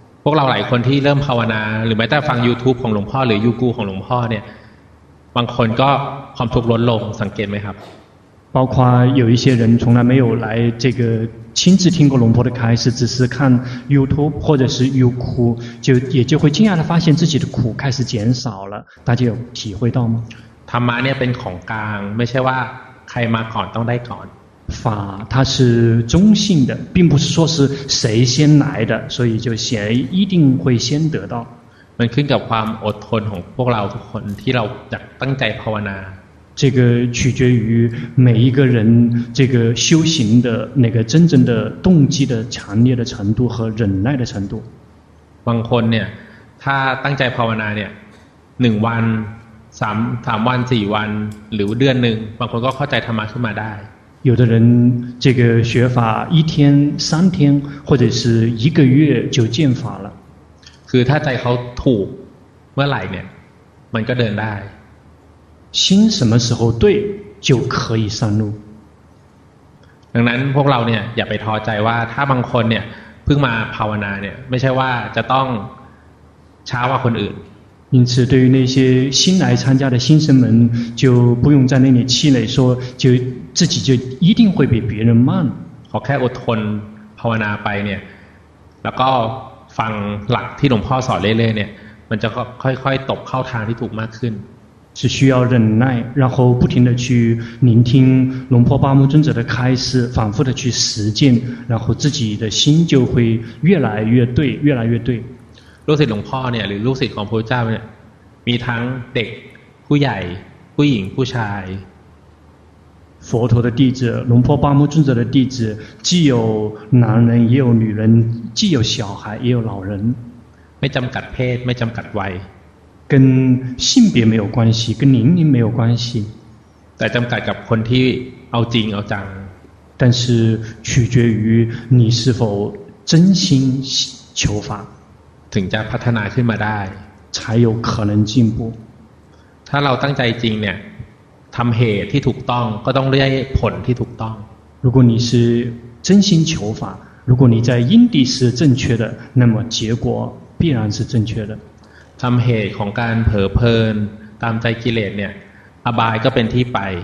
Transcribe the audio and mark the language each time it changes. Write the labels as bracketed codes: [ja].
[th] พวกเราหลายคนที่เริ่มภาวนาหรือไม่ได้ฟัง YouTube ของหลวงพ่อหรือ YouTube ของหลวงพ่อเนี่ยบางคนก็ความทุกข์ลดลงสังเกตไหมครับ [zh] 包括有一些人从来没有来这个亲自听过龙婆的开示只是看 YouTube 或者是 YouTube 就也就会惊讶的发现自己的苦开始减少了大家有体会到吗 [th] ธรรมะเนี่ยเป็นของกลางไม่ใช่ว่าใครมาก่อนต้องได้ก่อน [zh] 法它是中性的并不是说是谁先来的所以就谁一定会先得到 [th] มันขึ้นกับความอดทนของพวกเราทุกคนที่เราจะตั้งใจภาวนา [zh] 这个取决于每一个人这个修行的那个真正的动机的强烈的程度和忍耐的程度。 [th] บางคนเนี่ยถ้าตั้งใจภาวนาเนี่ย1วัน3วัน4วันหรือเดือนนึงบางคนก็เข้าใจธรรมะขึ้นมาได้ [zh] 有的人这个学法一天三天或者是一个月就见法了 [th] คือถ้าใจเขาถูกเมื่อไหร่เนี่ยมันก็เดินได้ [zh] 心什么时候对就可以上路 [th] ดังนั้นพวกเราเนี่ยอย่าไปท้อใจว่าถ้าบางคนเนี่ยเพิ่งมาภาวนาเนี่ยไม่ใช่ว่าจะต้องช้ากว่าคนอื่น [zh] 因此对于那些新来参加的新生们就不用在那里气馁说就自己就一定会比别人慢 [th] เขาแค่อดทนภาวนาไปเนี่ยแล้วก็ฟังหลักที่หลวงพ่อสอนเรื่อยๆเนี่ยมันจะค่อยๆตกเข้าทางที่ถูกมากขึ้น [zh] 是需要忍耐然后不停地去聆听龙婆巴木尊者的开示反复地去实践然后自己的心就会越来越对越来越对 [th] ลูกศิษย์หลวงพ่อเนี่ยหรือลูกศิษย์ของพระพุทธเจ้าเนี่ยมีทั้งเด็กผู้ใหญ่ผู้หญิงผู้ชาย [zh] 佛陀的弟子龙婆巴木尊者的弟子既有男人也有女人既有小孩也有老人 [th] ไม่จำกัดเพศไม่จำกัดวัย [zh] 跟性别没有关系跟年龄没有关系 [th] แต่จำกัดกับคนที่เอาจริงเอาจัง [zh] 但是取决于你是否真心求法 [th] ถึงจะพัฒนาขึ้นมาได้ [zh] 才有可能进步 [th] ถ้าเราตั้งใจจริงเนี่ยทำเหตุที่ถูกต้องก็ต้องได้ผลที่ถูกต้อง [zh] 如果你是真心求法如果你在因地是正确的那么结果必然是正确的 [th] ทำเหตุของการเผลอเพลินตามใจกิเลสเนี่ยอบายก็เป็นที่ไป